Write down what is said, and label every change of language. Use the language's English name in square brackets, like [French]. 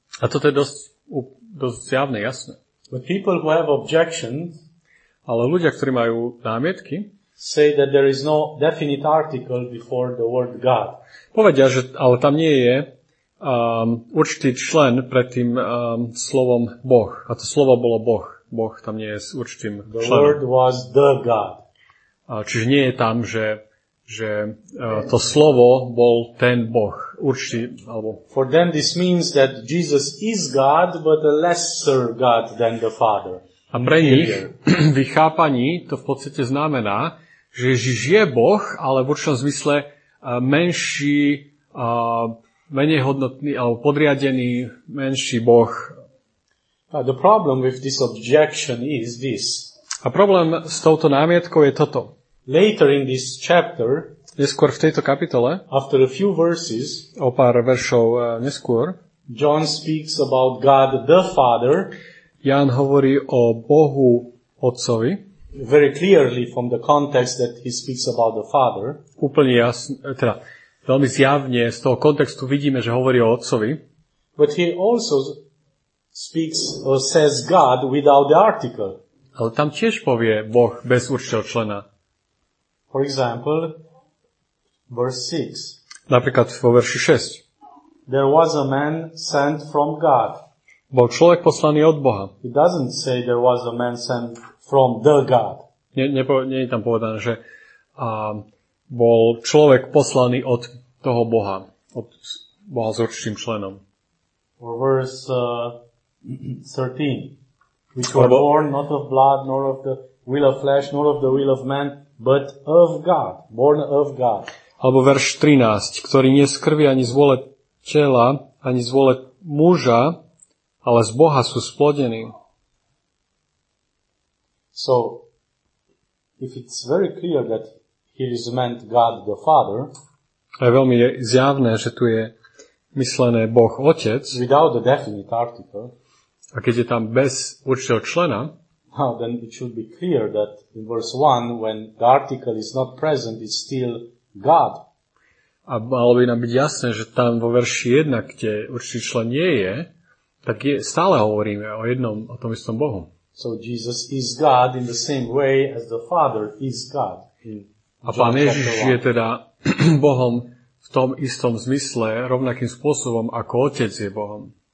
[Slovak] A toto je dosť zjavné, jasné. [English] But people who have objections, [Slovak] ale ľudia, ktorí majú námietky, [English] say that there is no definite article before the word God. [Slovak] Povedia, že ale tam nie je určitý člen pred tým slovom Boh. A to slovo bolo Boh. Boh tam nie je s určitým [English] the [Slovak] členom. [English] Word was the God. [Slovak] Čiže nie je tam, že to slovo bol ten Boh. Určitý, alebo. [English] For them this means that Jesus is God, but a lesser God than the Father. [Slovak] A pre nich v ich chápaní to v podstate znamená, že Ježiš je Boh, ale v určitom zmysle menší, menej hodnotný, alebo podriadený menší Boh. [English] The problem with this objection is this. [Slovak] A problém s touto námietkou je toto. [English] Later in this chapter, [Slovak] neskôr v tejto kapitole, [English] after a few verses, [Slovak] o pár veršov neskôr, [English] John speaks about God the Father, [Slovak] Ján hovorí o Bohu Otcovi, [English] very clearly from the context that he speaks about the Father, [Slovak] úplne jasne, teda veľmi zjavne z toho kontextu vidíme, že hovorí o Otcovi, [English] but he also speaks or says God without the article. [Slovak] Ale tam tiež povie Boh bez určitého člena. [English] For example, verse 6. [Slovak] Napríklad vo verši 6. [English] There was a man sent from God. [Slovak] Bol človek poslaný od Boha. [English] It doesn't say there was a man sent from the God. [Slovak] Nie je tam povedané, že bol človek poslaný od toho Boha. Od Boha s určitým členom. [English] Or verse 13. Which were born not of blood, nor of the will of flesh, nor of the will of man, but of God, born of God. [Slovak] Alebo verš 13, ktorý nie z krvi ani z vôle tela, ani z vôle muža, ale z Boha sú splodení. [English] So, if it's very clear that here is meant God the Father, [Slovak] a je veľmi zjavné, že tu je myslené Boh Otec, [English] without the definite article, [Slovak] a keď je tam bez určitého člena, [English] now then it should be clear that in verse 1 when the article is not present it's still God. [Slovak] A malo by nám byť jasné, že tam vo verši 1, kde určitý člen nie je, tak je, stále hovoríme o jednom, o tom istom Bohu. [English] So Jesus is God in the same way as the Father is God. [Slovak] A Pán Ježiš je teda Bohom v tom istom zmysle, rovnakým spôsobom ako Otec je Bohom.